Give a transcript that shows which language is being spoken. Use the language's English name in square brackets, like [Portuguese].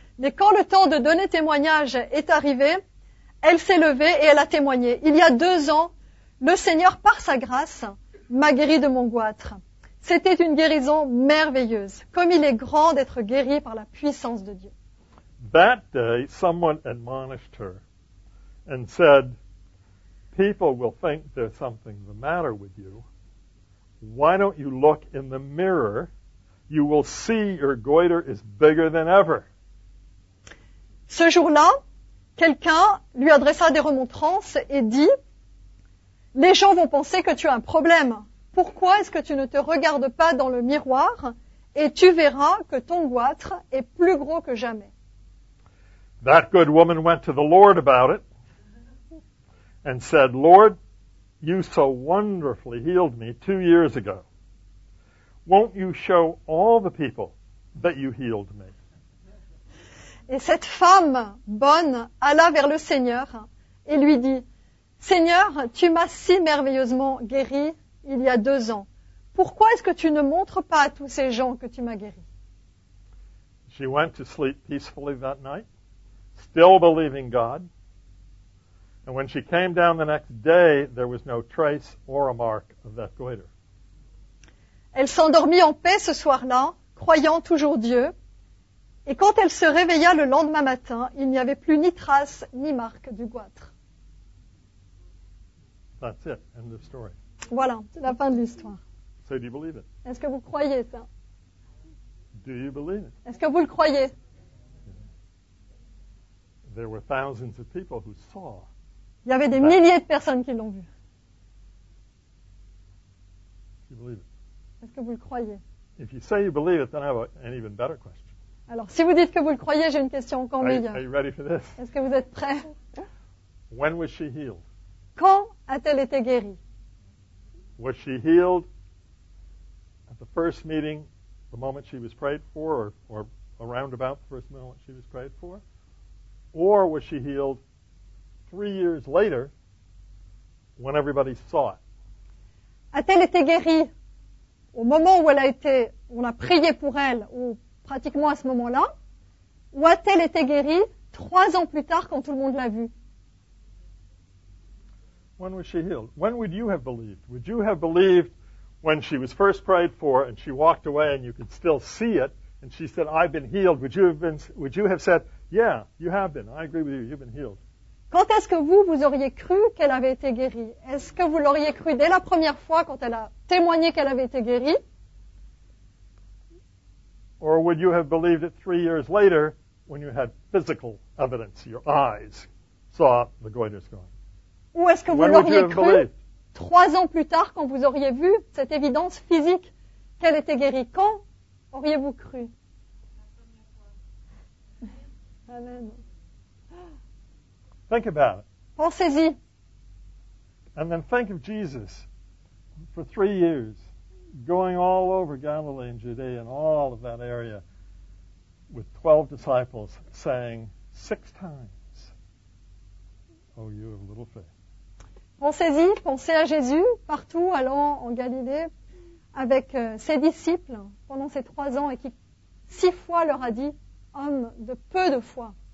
[French] Mais quand le temps de donner témoignage est arrivé, elle s'est levée et elle a témoigné. Il y a 2 ans, le Seigneur, par sa grâce, m'a guéri de mon goitre. C'était une guérison merveilleuse, comme il est grand d'être guéri par la puissance de Dieu. [English] That day, someone admonished her and said, people will think there's something the matter with you. Why don't you look in the mirror? You will see your goiter is bigger than ever. [French] Ce jour-là, quelqu'un lui adressa des remontrances et dit, les gens vont penser que tu as un problème. Pourquoi est-ce que tu ne te regardes pas dans le miroir et tu verras que ton goitre est plus gros que jamais? [English] That good woman went to the Lord about it and said, Lord, you so wonderfully healed me 2 years ago. Won't you show all the people that you healed me? [French] Et cette femme bonne alla vers le Seigneur et lui dit, « Seigneur, tu m'as si merveilleusement guéri il y a 2 ans. Pourquoi est-ce que tu ne montres pas à tous ces gens que tu m'as guéri ?» [English] She went to sleep peacefully that night, still believing God. And when she came down the next day, there was no trace or a mark of that goiter. [French] Elle s'endormit en paix ce soir-là, croyant toujours Dieu. Et quand elle se réveilla le lendemain matin, il n'y avait plus ni trace ni marque du goitre. [English] That's it, end of story. [French] Voilà, c'est la fin de l'histoire. [English] So do you believe it? [French] Est-ce que vous croyez ça? [English] Do you believe it? [French] Est-ce que vous le croyez? [English] There were thousands of people who saw. [French] Il y avait des milliers de personnes qui l'ont vu. [English] Do you believe it? [French] Est-ce que vous le croyez? [English] If you say you believe it, then I have an even better question. [French] Alors, si vous dites que vous le croyez, j'ai une question encore meilleure. [English] Are you ready for this? [French] Est-ce que vous êtes prêts? [English] When was she healed? [French] Quand a-t-elle été guérie? [English] Was she healed at the first meeting, the moment she was prayed for, or around about the first moment she was prayed for? Or was she healed 3 years later, when everybody saw it? [French] A-t-elle été guérie au moment où elle a été, on a prié pour elle, ou pratiquement à ce moment-là? Ou a-t-elle été guérie 3 ans plus tard quand tout le monde l'a vue? [English] When was she healed? When would you have believed? Would you have believed when she was first prayed for and she walked away and you could still see it and she said, I've been healed? Would you have said, yeah, you have been. I agree with you. You've been healed. [French] Quand est-ce que vous auriez cru qu'elle avait été guérie? Est-ce que vous l'auriez cru dès la première fois quand elle a témoigné qu'elle avait été guérie? [English] Or would you have believed it 3 years later when you had physical evidence, your eyes saw the goiter's gone? [French] Ou est-ce que vous l'auriez cru 3 ans plus tard quand vous auriez vu cette évidence physique qu'elle était guérie? Quand auriez-vous cru? [English] Amen. Think about it. [French] Pensez-y. [English] And then think of Jesus for 3 years going all over Galilee and Judea and all of that area with 12 disciples saying 6 times, oh, you of little faith. [French] Pensez-y, pensez à Jésus, partout, allant en Galilée, avec ses disciples, pendant ces 3 ans, et qui 6 fois leur a dit, homme de peu de foi.